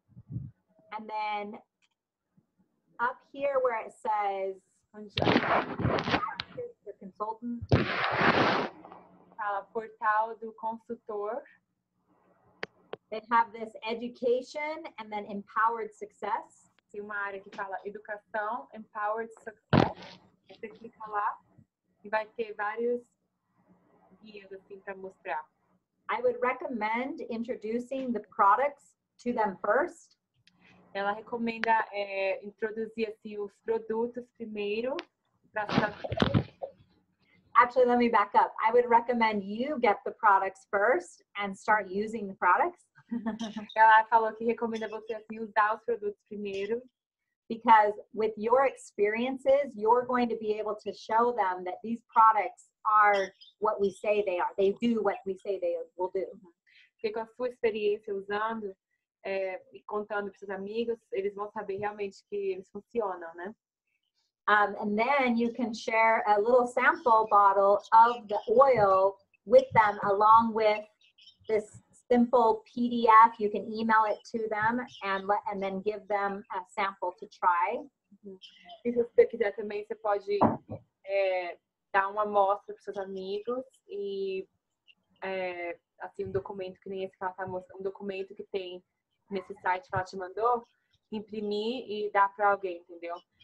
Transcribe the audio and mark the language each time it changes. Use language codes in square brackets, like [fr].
[en] And then up here where it says the consultant, [pt] portal do consultor, [en] they have this education and then empowered success. [pt] Tem uma área que fala educação, empowered success. Você clica lá e vai ter vários guias assim para mostrar. [en] I would recommend introducing the products to them first. [pt] Ela recomenda introduzir assim os produtos primeiro para [en] Actually, let me back up. I would recommend you get the products first and start using the products. [pt] Ela falou que recomenda você assim usar os produtos primeiro. [en] Because with your experiences, you're going to be able to show them that these products are what we say they are. They do what we say they will do. [pt] Porque com a sua experiência usando e contando para seus amigos, eles vão saber realmente que eles funcionam, né? [en] And then you can share a little sample bottle of the oil with them, along with this simple PDF. You can email it to them and then give them a sample to try. [pt] Mm-hmm. E se você quiser também, você pode dar uma amostra para seus amigos e assim um documento que nem esse que ela está mostrando, um documento que tem nesse site que ela te mandou, imprimir e dar para alguém, entendeu?